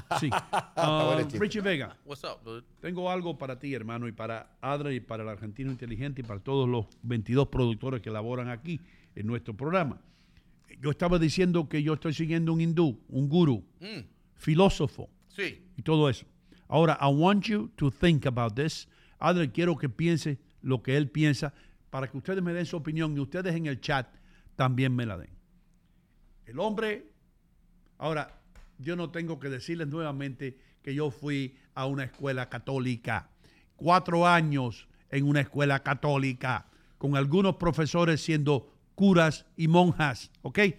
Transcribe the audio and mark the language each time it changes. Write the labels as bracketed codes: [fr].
[es] Sí. Richie Vega. [en] What's up, dude? [es] Tengo algo para ti, hermano, y para Adra y para el Argentino Inteligente y para todos los 22 productores que laboran aquí en nuestro programa. Yo estaba diciendo que yo estoy siguiendo un hindú, un gurú, filósofo, sí, y todo eso. [en] Ahora, I want you to think about this. [es] Adler, quiero que piense lo que él piensa para que ustedes me den su opinión y ustedes en el chat también me la den. El hombre, ahora, yo no tengo que decirles nuevamente que yo fui a una escuela católica. 4 años en una escuela católica con algunos profesores siendo curas y monjas, ¿ok?